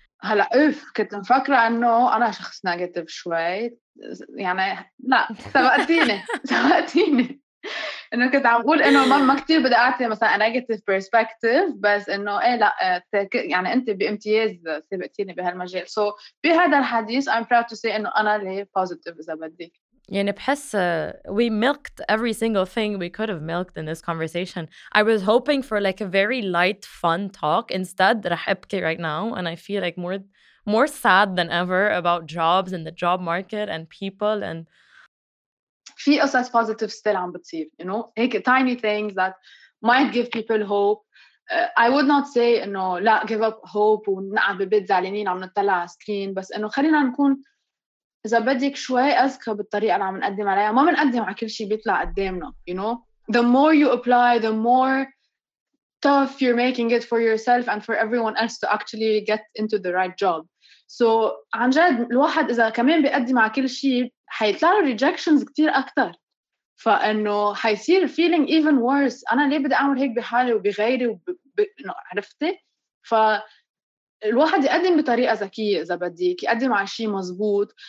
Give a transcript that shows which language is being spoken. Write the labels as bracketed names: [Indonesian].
[Arabic] هلا اوف كنت مفكرة إنه أنا شخص نيجاتيف شوي يعني لا سبقتيني إنه كنت عم أقول إنه ما كتير بدي أعطي مثلا [English] negative perspective [Arabic] بس إنه إيه لا يعني أنت بامتياز سبقتيني بهالمجال. So بهذا الحديث [English] I'm proud to say [Arabic] إنه أنا اللي positive إذا بدي. يعني بحس [English] we milked every single thing we could have milked in this conversation. I was hoping for like a very light, fun talk. Instead, [Arabic] رح أبكي [English] right now and I feel like more sad than ever about jobs and the job market and people and... [Arabic] في قصص positive still عم بتصير, [English] you know? [Arabic] هيك tiny things that might give people hope. [English] I would not say, you know, [Arabic] لا, [English] give up hope [Arabic] ونقع ببيت زعلانين عم نطلع على screen, بس إنه خلينا نكون إذا بدك شوي أذكى بالطريقة اللي عم نقدم عليها. ما بنقدم على كل شيء بيطلع قدامنا, [English] you know. The more you apply, the more tough you're making it for yourself and for everyone else to actually get into the right job. [Arabic] So عن جد الواحد إذا كمان بيقدم على كل شيء حيطلع له rejections كتير أكتر, فإنه حيصير [English] feeling even worse. [Arabic] أنا ليه بدي أعمل هيك بحالي وبغيري عرفتي. ف الواحد يقدم بطريقة ذكية إذا بديك, يقدم على شيء مزبوط.